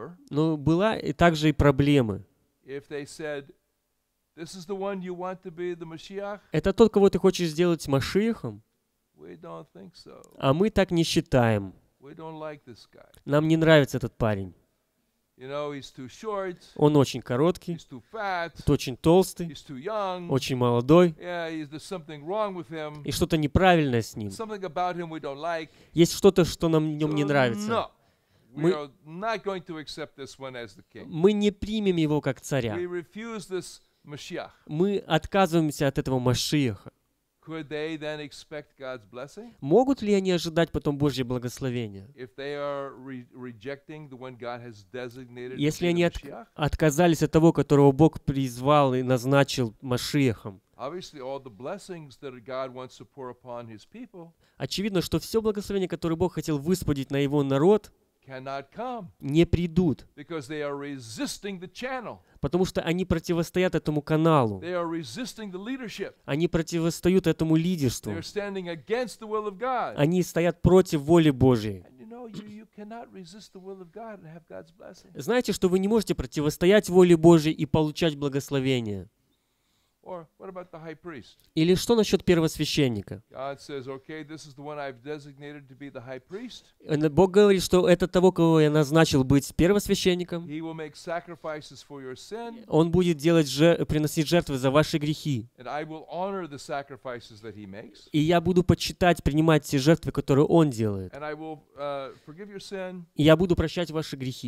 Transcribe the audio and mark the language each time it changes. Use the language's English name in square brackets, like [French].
[Russian] Но была и также и проблемы. [English] This is the one you want to be the Mashiach? [Russian] Это тот, кого ты хочешь сделать Машиахом? [English] We don't think so. [Russian] А мы так не считаем. [English] We don't like this guy. [Russian] Нам не нравится этот парень. [English] You know, he's too short. [Russian] Он очень короткий. [English] He's too fat. [Russian] Тот очень толстый. [English] He's too young. [Russian] Очень молодой. [English] Yeah, there's something wrong with him. [Russian] И что-то неправильное с ним. [English] Something about him we don't like. [Russian] Есть что-то, что нам в нем не нравится. [English] No. We are not going to accept this one as the king. [Russian] Мы не примем его как царя. [English] We refuse this Mashiach. [Russian] Мы отказываемся от этого Машиаха. [English] Could they then expect God's blessing? [Russian] Могут ли они ожидать потом Божье благословение? [English] If they are rejecting the one God has designated, [Russian] если они отказались от того, которого Бог призвал и назначил Машиахом. [English] Obviously, all the blessings that God wants to pour upon His people. [Russian] Очевидно, что все благословения, которые Бог хотел высподить на Его народ, [English] cannot come. [Russian] Не придут. [English] Because they are resisting the channel. [Russian] Потому что они противостоят этому каналу. [English] They are resisting the leadership. [Russian] Они противостоят этому лидерству. [English] They are standing against the will of God. [Russian] Они стоят против воли Божьей. [English] And you know, you cannot resist the will of God and have God's blessing. [Russian] Знаете, что вы не можете противостоять воле Божьей и получать благословение? [English] Or what about the high priest? [Russian] Или что насчет первосвященника? [English] God says, okay, this is the one I've designated to be the high priest. [Russian] Бог говорит, что это того, кого я назначил быть первосвященником. [English] He will make sacrifices for your sin. [Russian] Он будет делать приносить жертвы за ваши грехи. [English] And I will honor the sacrifices that he makes. [Russian] И я буду почитать, принимать те жертвы, которые он делает. [English] And I will forgive your sin. [Russian] И я буду прощать ваши грехи.